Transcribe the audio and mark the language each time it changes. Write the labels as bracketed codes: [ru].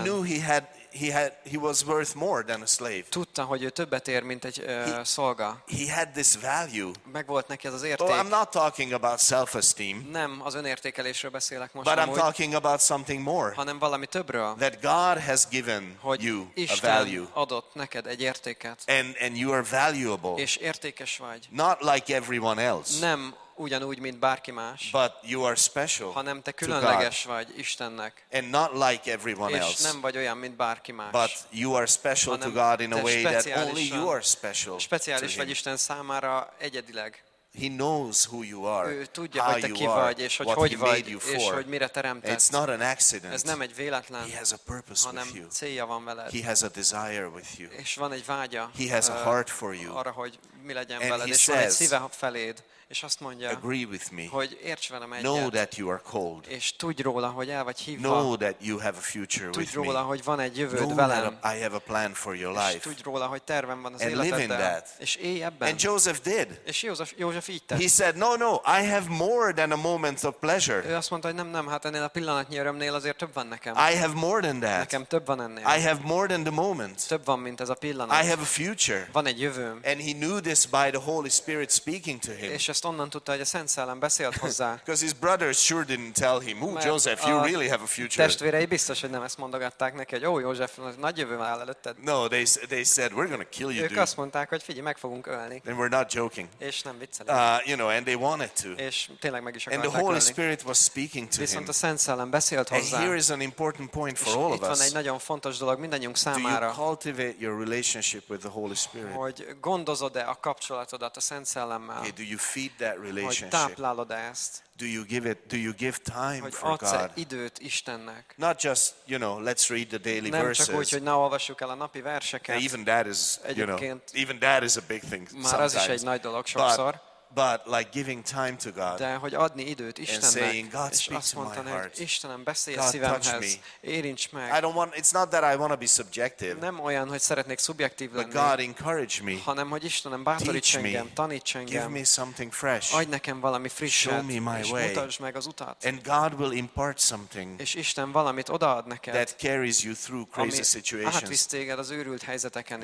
[en] He knew he was worth more than a slave. [hu] Tudta, hogy ő többet ér, mint egy szolga. [en] He had this value. [hu] Megvolt neki ez az érték. [en] Oh, I'm not talking about self-esteem. [hu] Nem az önértékelésről beszélek most. [en] But I'm talking about something more. [hu] Hanem valami többről. [en] That God has given you [hu] Isten [en] a value. [hu] Adott neked egy értéket. [en] And you are valuable. [hu] És értékes vagy. [en] Not like everyone else. [hu] Nem ugyanúgy, mint bárki más, [en] but you are special, [hu] hanem te különleges vagy Istennek, [en] and not like everyone else, [hu] és nem vagy olyan, mint bárki más, [en] but you are special to God in a way that only you are special. [hu] Speciális vagy Isten számára egyedileg. [en] He knows who you are. [hu] Ő tudja, hogy te ki vagy és hogy hogy vagy és hogy mire teremtett. [en] It's not an accident. [hu] Ez nem egy véletlen. [en] He has a purpose with you. [hu] Hanem célja van veled. [en] He has a desire with you. [hu] És van egy vágya. [en] He has a heart for you. [hu] Arra, hogy mi legyen veled, és van egy szíve feléd. És azt mondja, [en] agree with me. [hu] Hogy érts velem egyet. [en] Know that you are called. [hu] És tudj róla, hogy el vagy hívva. [en] Know that you have a future with me. [hu] Tudj róla, hogy van egy jövőd [en] know [hu] velem. [en] I have a plan for your life. [hu] És tudj róla, hogy tervem van az [en] and [hu] életeddel. És élj ebben. [en] And Joseph did. [hu] És József így tett. [en] He said, no, I have more than a moment of pleasure. [hu] Ő azt mondta, hogy nem, hát ennél a pillanatnyi örömnél azért több van nekem. [en] I have more than that. [hu] Nekem több van ennél. [en] I have more than the moment. [hu] Több van, mint ez a pillanat. [en] I have a future. [hu] Van egy jövőm. [en] And he knew this by the Holy Spirit speaking to him. [hu] Onnan tudta, hogy a Szent Szellem beszélt hozzá. [en] Because his brothers sure didn't tell him, "Oh, Joseph, you really have a future." [hu] Testvérei biztos, hogy nem ezt mondogatták neki, hogy József, nagy jövő van előtted. [en] No, they said, "We're going to kill you." [hu] Ők azt mondták, hogy figyelj, meg fogunk ölni. [en] And we're not joking. [hu] És nem viccelünk. [en] You know, and they wanted to. [hu] És tényleg meg is akarták. [en] And the Holy Spirit was speaking to him. [hu] Viszont a Szent Szellem beszélt hozzá. [en] And here is an important point for all of us. [hu] Itt van egy nagyon fontos dolog mindannyiunk számára. [en] Do you cultivate your relationship with the Holy Spirit? [hu] Hogy gondozod-e a kapcsolatodat a Szent Szellemmel? [en] Okay, do you feed that relationship? Do you give time for God? [hu] Hogy adsz időt Istennek? [en] Not just, you know, let's read the daily [hu] nem [en] verses. [hu] Nem csak úgy, hogy na, olvassuk el a napi verseket. [en] Even that is, you know, even that is a big thing [hu] már [en] sometimes. [hu] Már az is egy nagy dolog sokszor. [en] But but like giving time to God. [hu] De hogy adni időt Istennek. [en] And saying, God speak to my heart. [hu] Istenem, beszélj a szívemhez. Érints meg. [en] I don't want, it's not that I want to be subjective. [hu] Nem olyan, hogy szeretnék szubjektív lenni. [en] But God encourage me. [hu] Hanem hogy Istenem bátoríts engem, taníts engem. [en] Give me something fresh. [hu] Adj nekem valami frisset. [en] Show me my way. [hu] Mutasd meg az utat. [en] And God will impart something. [hu] És Isten valamit odaad neked. [en] That carries you through crazy situations. [hu] Ami átvisz téged az őrült helyzeteken is.